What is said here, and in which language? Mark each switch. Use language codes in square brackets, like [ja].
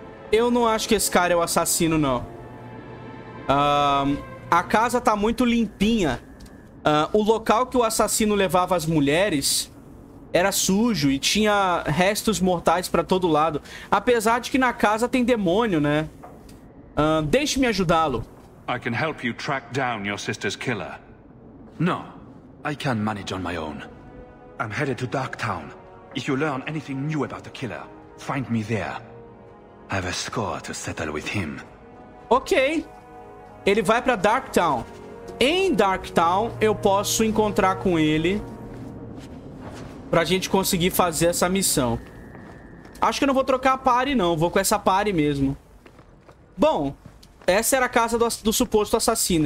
[pt] Eu não acho que esse cara é o assassino, não. A casa tá muito limpinha. O local que o assassino levava as mulheres era sujo e tinha restos mortais pra todo lado. Apesar de que na casa tem demônio, né? Deixe-me ajudá-lo. [en] I can help you track down your sister's killer. No, I can manage on my own. I'm headed to Darktown. If you learn anything new about the killer, find me there. I have a score to settle with him. [pt] Ok. Ele vai pra Darktown. Em Darktown, eu posso encontrar com ele pra gente conseguir fazer essa missão. Acho que eu não vou trocar a party, não. Vou com essa party mesmo. Bom, essa era a casa do suposto assassino.